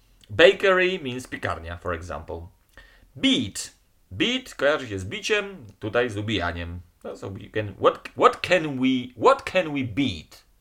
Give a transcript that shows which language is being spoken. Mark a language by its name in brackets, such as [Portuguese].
[English] Bakery means piekarnia, for example. Beat. [Polish] Beat kojarzy się z biciem, tutaj z ubijaniem. [English] So you can, what can we beat?